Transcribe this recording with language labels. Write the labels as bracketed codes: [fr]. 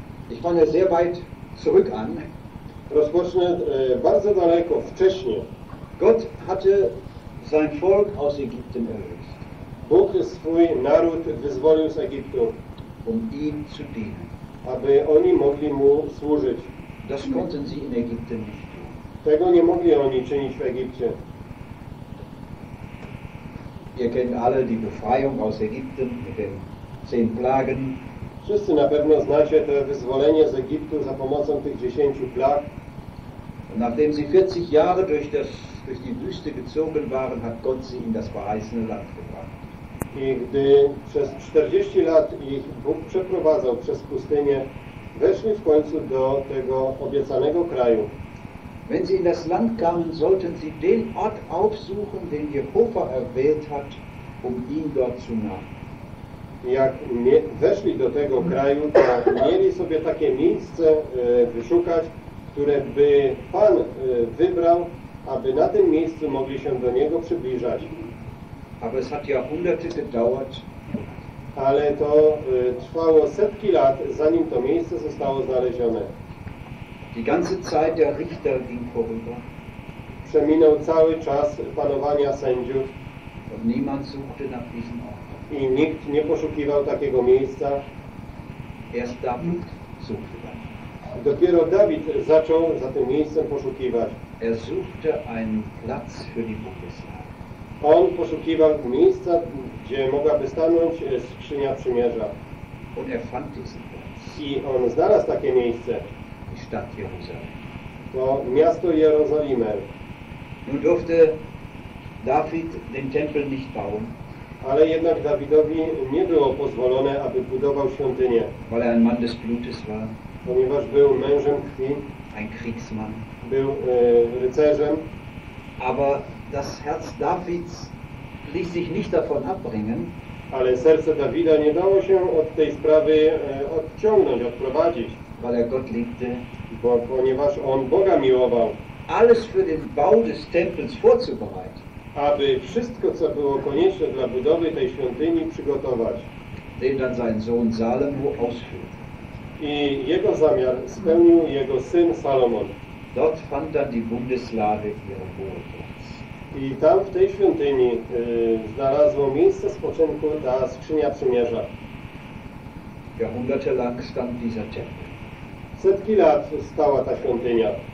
[de] Ich fange sehr weit zurück an. [pl] Rozpocznę bardzo daleko, wcześnie. [de] Gott hatte sein Volk aus Ägypten erlöst. [pl] Bóg swój naród wyzwolił z Egiptu, [de] um ihm zu dienen. [pl] Aby oni mogli mu służyć. [de] Das konnten sie in Ägypten nicht tun. [pl] Tego nie mogli oni czynić w Egipcie. [de] Ihr kennt alle die Befreiung aus Ägypten mit den 10 Plagen. [pl] Wszyscy na pewno znacie to wyzwolenie z Egiptu za pomocą tych 10 plag. [de] Nachdem sie 40 Jahre durch die Wüste gezogen waren, hat Gott sie in das verheißene Land gebracht. [pl] I gdy przez 40 lat ich Bóg przeprowadzał przez pustynię, weszli w końcu do tego obiecanego kraju. [de] Wenn sie in das Land kamen, sollten sie den Ort aufsuchen, den Jehova erwählt hat, um ihn dort zu nahmen. [pl] Jak weszli do tego kraju, to mieli sobie takie miejsce wyszukać, które by Pan wybrał, aby na tym miejscu mogli się do Niego przybliżać. [de] Aber es hat Jahrhunderte gedauert. [pl] Ale to trwało setki lat, zanim to miejsce zostało znalezione. [de] Die ganze Zeit der Richter ging vorüber. [pl] Przeminął cały czas panowania sędziów. [de] Und niemand suchte nach diesem Ort. [pl] I nikt nie poszukiwał takiego miejsca. [de] Erst David suchte dann. [pl] Dopiero Dawid zaczął za tym miejscem poszukiwać. [de] Er suchte einen Platz für die Bundeslade. [pl] On poszukiwał miejsca, gdzie mogłaby stanąć skrzynia przymierza. [de] Und er fand diesen Platz. [pl] I on znalazł takie miejsce. [de] Die Stadt Jerusalem. [pl] To miasto Jerozolimy. [de] Nun durfte David den Tempel nicht bauen. [pl] Ale jednak Dawidowi nie było pozwolone, aby budował świątynię. [de] Weil ein Mann des Blutes war. [pl] Ponieważ był mężem krwi. [de] Ein Kriegsmann. [pl] Był rycerzem. [de] Aber das Herz Davids ließ sich nicht davon abbringen. [pl] Ale serce Dawida nie dało się od tej sprawy odciągnąć, odprowadzić. [de] Weil er Gott liebte. [pl] Ponieważ on Boga miłował. [de] Alles für den Bau des Tempels vorzubereiten. [pl] Aby wszystko, co było konieczne dla budowy tej świątyni, przygotować. [de] Den dann sein Sohn Salomo ausführte. [pl] I jego zamiar spełnił jego syn Salomon. [de] Dort fand dann die Bundeslade ihren Wohnplatz. [pl] I tam w tej świątyni znalazło miejsce spoczynku ta skrzynia przymierza. [de] Jahrhunderte lang stand dieser Tempel. [pl] Setki lat stała ta świątynia.